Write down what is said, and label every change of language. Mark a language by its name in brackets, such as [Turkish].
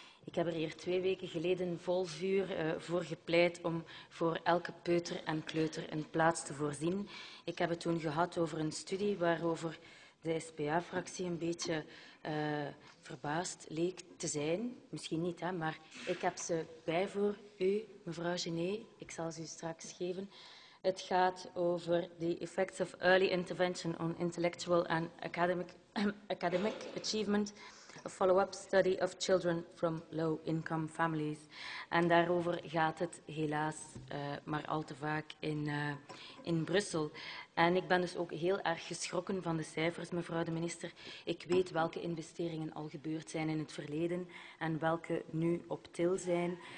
[Dutch] Ik heb er hier 2 weken geleden vol vuur voor gepleit om voor elke peuter en kleuter een plaats te voorzien. Ik heb het toen gehad over een studie waarover de SPA-fractie een beetje verbaasd leek te zijn. Misschien niet, hè, maar ik heb ze bij voor u, mevrouw Genet. Ik zal ze u straks geven. Het gaat over [English] the effects of early intervention on intellectual and academic achievement, a follow-up study of children from low-income families. [Dutch] En daarover gaat het helaas maar al te vaak in Brussel. En ik ben dus ook heel erg geschrokken van de cijfers, mevrouw de minister. Ik weet welke investeringen al gebeurd zijn in het verleden en welke nu op til zijn.